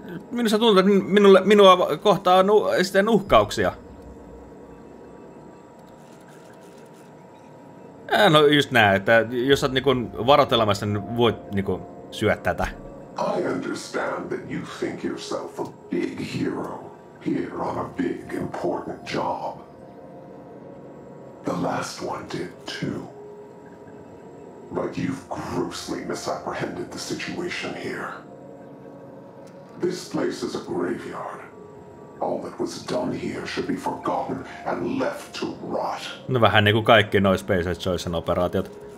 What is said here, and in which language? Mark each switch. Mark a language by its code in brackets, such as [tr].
[fi] Minusta tuntuu, että minua kohtaa sitten uhkauksia. No just näin, että jos sä oot niinku varoitelemassa, niin voit niinku syödä tätä. [en] I understand that you think yourself a big hero here on a big important job. The last one did too. But you've grossly misapprehended the situation here. This place is a graveyard. All that was done here should be forgotten and left to rot. [fi] No vähän niinku kaikki noi Space Station -operaatiot.